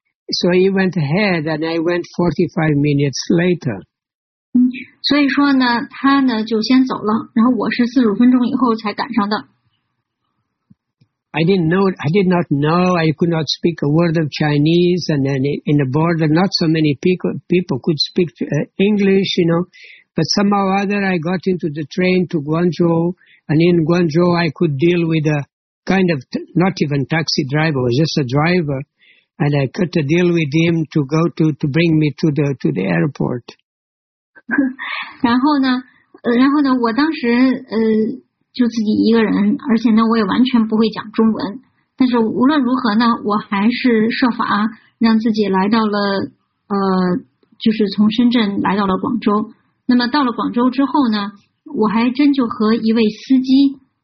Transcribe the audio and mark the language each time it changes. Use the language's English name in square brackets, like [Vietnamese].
[English] So he went ahead, and I went 45 minutes later. [Chinese] 所以说呢，他呢就先走了，然后我是四十五分钟以后才赶上的。 [English] I didn't know, I did not know, I could not speak a word of Chinese, and then in the border, not so many people could speak English, you know. But somehow or other, I got into the train to Guangzhou. And in Guangzhou, I could deal with a kind of, not even taxi driver, it was just a driver. And I could deal with him to go to bring me to the airport. [Chinese] 然后呢我当时就自己一个人，而且呢我也完全不会讲中文。但是无论如何呢，我还是设法让自己来到了就是从深圳来到了广州。那么到了广州之后呢，我还真就和一位司机